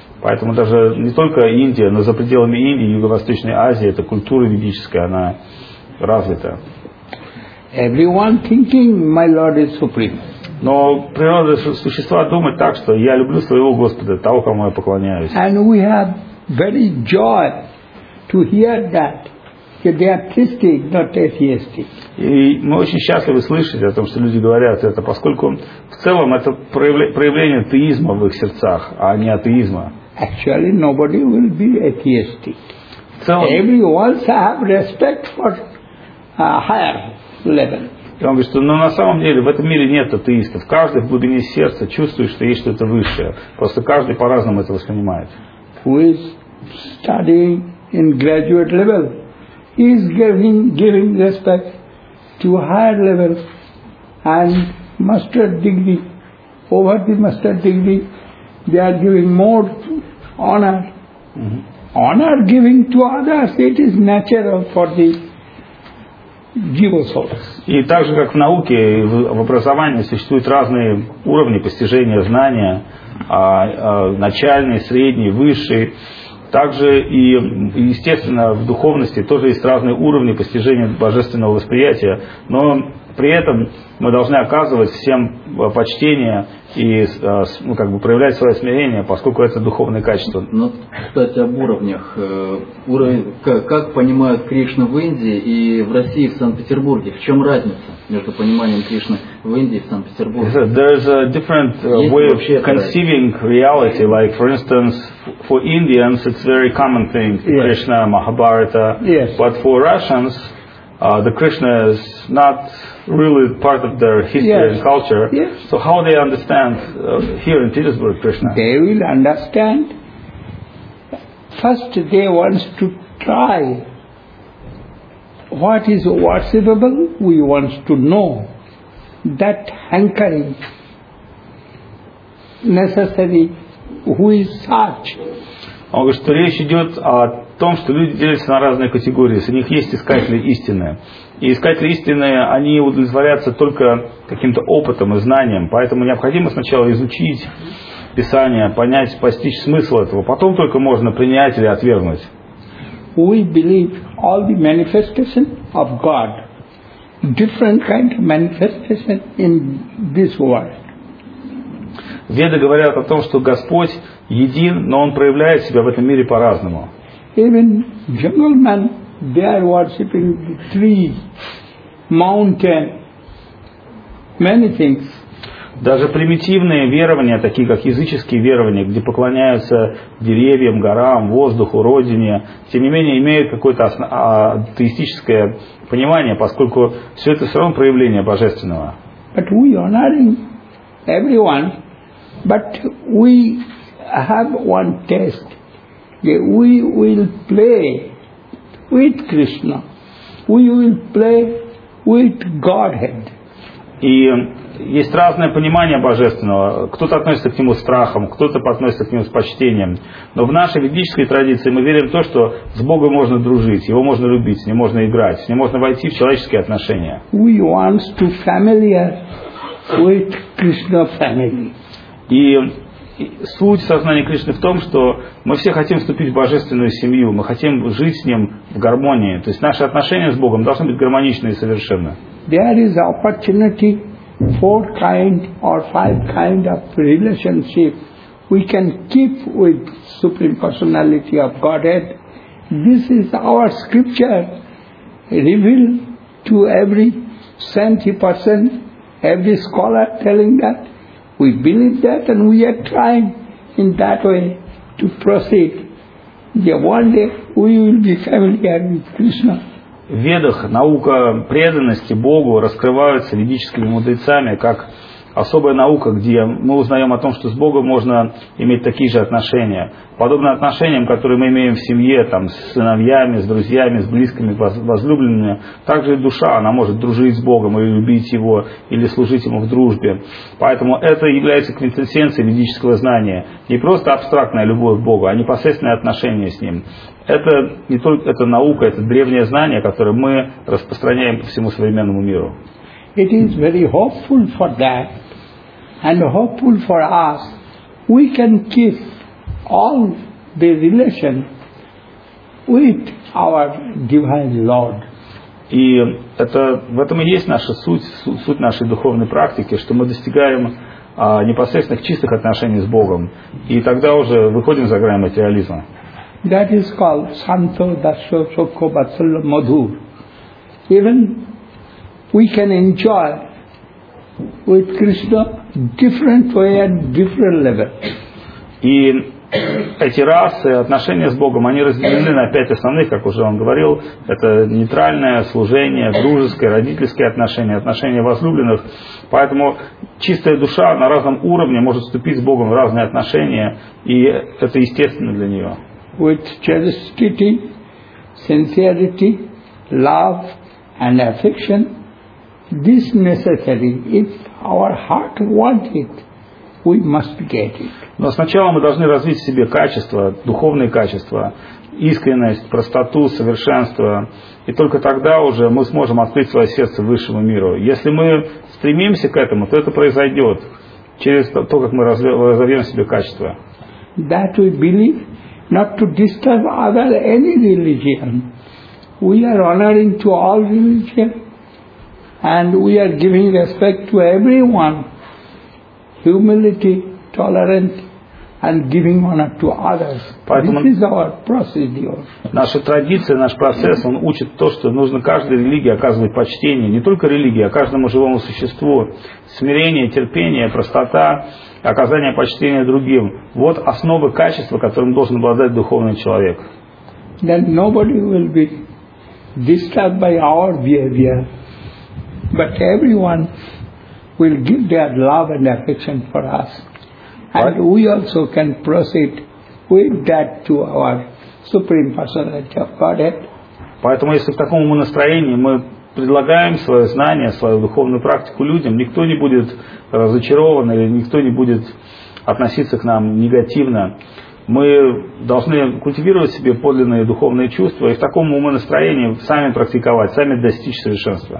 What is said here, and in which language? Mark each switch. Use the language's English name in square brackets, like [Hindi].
[Russian] Поэтому даже не только Индия, но за пределами Индии, Юго-Восточной Азии, эта культура ведическая, она развита. [English] Everyone thinking my Lord is supreme. [Russian] Но природа существа думает так, что я люблю своего Господа, того, кому я поклоняюсь. [English] And we have very joy to hear that. They are theistic, not atheistic. [Russian] И мы очень счастливы слышать о том, что люди говорят это, поскольку в целом это проявление атеизма в их сердцах, а не атеизма. [English] Actually, nobody will be atheistic. Everyone have respect for higher level. [Russian] И он говорит, что на самом деле в этом мире нет атеистов. Каждый в глубине сердца чувствует, что есть что-то высшее. Просто каждый по-разному это воспринимает. [English] Who is studying in graduate level? Is giving respect to higher level and master degree. Over the master degree, they are giving more honor. Mm-hmm. Honor giving to others, it is natural for the jiva souls. [Russian] И так же, как в науке, в образовании существуют разные уровни постижения знания, начальный, средний, высший. Также и, естественно, в духовности тоже есть разные уровни постижения божественного восприятия, но при этом мы должны оказывать всем почтение и проявлять свое смирение, поскольку это духовное качество. Ну, кстати, об уровнях. Как понимают Кришну в Индии и в России, в Санкт-Петербурге? В чем разница между пониманием Кришны в Индии и в Санкт-Петербурге? [English] There's a different way of conceiving reality. Like, for instance, for Indians, it's very common thing, yes. Krishna, Mahabharata. Yes. But for Russians, the Krishna is not really part of their history, yes, and culture. Yes. So how they understand here in Petersburg Krishna? They will understand. First they want to try what is worshipable. We want to know that hankering necessary, who is such. [Russian] Он говорит, что речь идет о том, что люди делятся на разные категории. Среди них есть искатели истины. И искатели истины, они удовлетворятся только каким-то опытом и знанием. Поэтому необходимо сначала изучить Писание, понять, постичь смысл этого. Потом только можно принять или отвергнуть. [English] We believe all the manifestation of God, different kind of manifestation in this world. [Russian] Веды говорят о том, что Господь един, но Он проявляет Себя в этом мире по-разному. [English] Even jungle men, they are worshipping the trees, mountain, many things. [Russian] Даже примитивные верования, такие как языческие верования, где поклоняются деревьям, горам, воздуху, родине, тем не менее имеют какое-то атеистическое понимание, поскольку все это все равно проявление Божественного. [English] But we honoring everyone. But we have one test. We will play with Krishna. We will play with Godhead. [Russian] И есть разное понимание Божественного. Кто-то относится к Нему с страхом, кто-то относится к Нему с почтением. Но в нашей ведической традиции мы верим в то, что с Богом можно дружить, Его можно любить, с Ним можно играть, с Ним можно войти в человеческие отношения. [English] We want to familiar with Krishna family. [Russian] И суть сознания Кришны в том, что мы все хотим вступить в божественную семью, мы хотим жить с Ним в гармонии. То есть наши отношения с Богом должны быть гармоничны и совершенны. [English] There is opportunity four kind or five kind of relationship we can keep with Supreme Personality of Godhead. This is our scripture revealed to every saintly person, every scholar telling that. We believe that and we are trying in that way to proceed. Yeah, one day we will be familiar with Krishna. [Russian] В ведах наука преданности Богу раскрывается ведическими мудрецами как особая наука, где мы узнаем о том, что с Богом можно иметь такие же отношения. Подобно отношениям, которые мы имеем в семье, там, с сыновьями, с друзьями, с близкими, возлюбленными, также и душа, она может дружить с Богом или любить Его, или служить Ему в дружбе. Поэтому это является квинтэссенцией ведического знания. Не просто абстрактная любовь к Богу, а непосредственное отношение с Ним. Это не только это наука, это древнее знание, которое мы распространяем по всему современному миру. [English] It is very hopeful for that, and hopeful for us. We can keep all the relation with our Divine Lord. [Russian] И это в этом и есть наша суть, суть нашей духовной практики, что мы достигаем непосредственных чистых отношений с Богом, и тогда уже выходим за грань материализма. [English] That is called Santo Dasho Sokho Vatsala Madhur. Even we can enjoy with Krishna different way and different level. [Russian] И эти расы, отношения с Богом, они разделены на пять основных, как уже он говорил. Это нейтральное служение, дружеское, родительские отношения, отношения возлюбленных. Поэтому чистая душа на разном уровне может вступить с Богом в разные отношения, и это естественно для нее. [English] With chastity, sincerity, love and affection. This necessary. If our heart wants it, we must get it. [Russian] Но сначала мы должны развить в себе качества, духовные качества, искренность, простоту, совершенство, и только тогда уже мы сможем открыть свое сердце высшему миру. Если мы стремимся к этому, то это произойдет через то, как мы разовьем в себе качества. [English] That we believe not to disturb other any religion. We are honoring to all religion. And we are giving respect to everyone, humility, tolerance, and giving honor to others. [Russian] Поэтому [English] this is our procedure. [Russian] Наша традиция, наш процесс, он учит то, что нужно каждой религии оказывать почтение, не только религии, а каждому живому существу. Смирение, терпение, простота, оказание почтения другим. Вот основы качества, которым должен обладать духовный человек. [English] Then nobody will be disturbed by our behavior. But everyone will give their love and affection for us. And we also can proceed with that to our Supreme Personality of Godhead. [Russian] Поэтому, если в таком настроении мы предлагаем свое знание, свою духовную практику людям, никто не будет разочарован или никто не будет относиться к нам негативно. мы должны культивировать в себе подлинные духовные чувства и в таком умонастроении сами практиковать, сами достичь совершенства.